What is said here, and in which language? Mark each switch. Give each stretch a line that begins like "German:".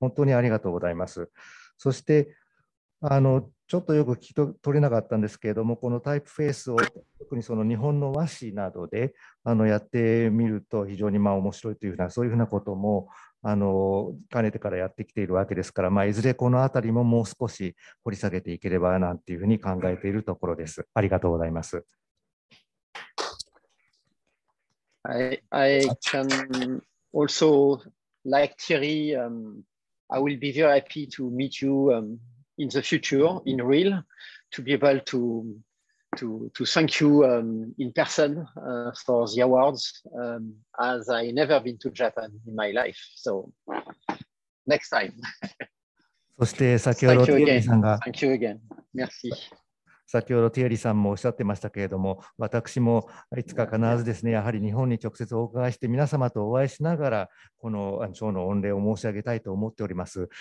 Japanese: 本当にありがとうございます。そしてちょっとよく聞き取れなかったんですけれども、このタイプフェイスを特にその日本の和紙などでやってみると非常にまあ面白いというふうな、そういうふうなこともかねてからやってきているわけですから、まあ、いずれこのあたりももう少し掘り下げていければなんていうふうに考えているところです。ありがとうございます。
English: I can also like Thierry、I will be very happy to meet you、in the future in real, to be able to thank you、in person、for the awards、as I never been to Japan in my life. So next time.
Japanese: そして先ほどティエリさんが、
English: Thank you again. Merci.
Japanese: 先ほどティエリさんもおっしゃってましたけれども、私もいつか必ずですね、やはり日本に直接お伺いして皆様とお会いしながらこの賞の御礼を申し上げたいと思っております。